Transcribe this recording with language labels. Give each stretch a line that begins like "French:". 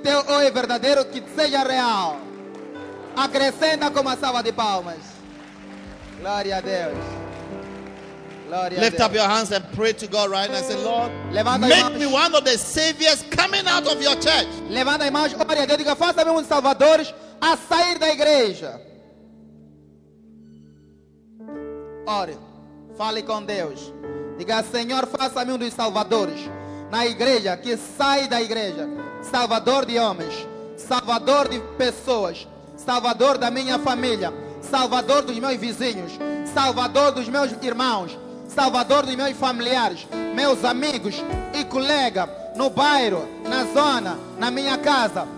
Portuguese: teu ou é verdadeiro, que seja real. Acrescenta com uma salva de palmas. Glória a Deus.
English: Lift up your hands and pray to God right now. Say, Lord,
Portuguese: levanta
English: make me one of the saviors coming out of your church.
Portuguese: Levanta a mão, ore a Deus, diga, faça-me um salvador a sair da igreja. Ore, fale com Deus. Diga, Senhor, faça-me um dos salvadores na igreja, que sai da igreja. Salvador de homens, salvador de pessoas, salvador da minha família, salvador dos meus vizinhos, salvador dos meus irmãos, salvador dos meus familiares, meus amigos e colegas, no bairro, na zona, na minha casa.